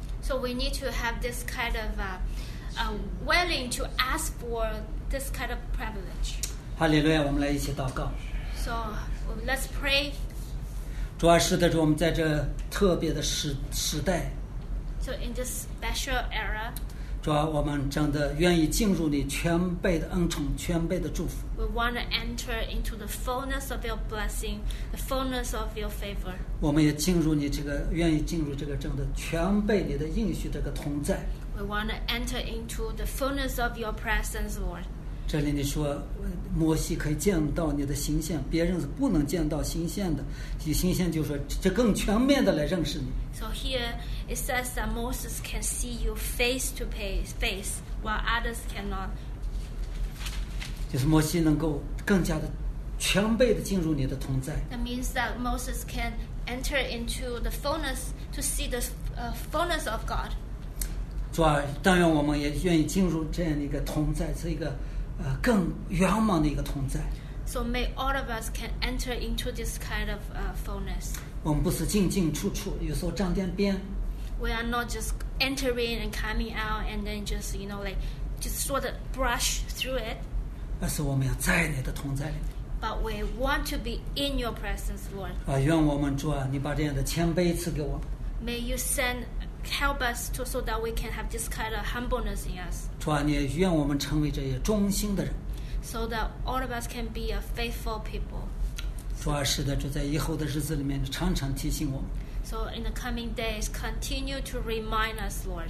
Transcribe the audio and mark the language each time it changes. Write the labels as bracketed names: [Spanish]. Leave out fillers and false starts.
[English] So we need to have this kind of. Willing to ask for this kind of privilege. [Chinese] Hallelujah, 我们来一起祷告。 [English] So let's pray. [Chinese] 主啊，是的，主，我们在这特别的时代。 [English] So in this special era. [Chinese] 主主啊，我们真的愿意进入你全备的恩宠，全备的祝福。 [English] We want to enter into the fullness of your blessing, the fullness of your favor. [Chinese] 我们也进入你这个，愿意进入这个真的全备你的应许这个同在。 [English] We want to enter into the fullness of your presence, Lord. [Chinese] 这里你说，摩西可以见到你的形象，别人是不能见到形象的。以形象就是说，这更全面的来认识你。 [English] So here it says that Moses can see you face to face, while others cannot. [Chinese] 就是摩西能够更加的全备的进入你的同在。 [English] That means that Moses can enter into the fullness to see the fullness of God. [Chinese] 主啊，但愿我们也愿意进入这样的一个同在，是一个更圆满的一个同在。 [English] So may all of us can enter into this kind of fullness. [Chinese] 我们不是进进出出，有时候站在边。 [English] We are not just entering and coming out and then just, you know, like, just sort of brush through it. [Chinese] 而是我们要在你的同在里面。 [English] But we want to be in your presence, Lord. [Chinese] 愿我们主啊，你把这样的谦卑赐给我。 [English] May you send, help us to, so that we can have this kind of humbleness in us. [Chinese] 主啊，你也愿我们成为这些忠心的人。 [English] So that all of us can be a faithful people. [Chinese] 主啊，是的，主在以后的日子里面常常提醒我们。 [English] So in the coming days, continue to remind us, Lord.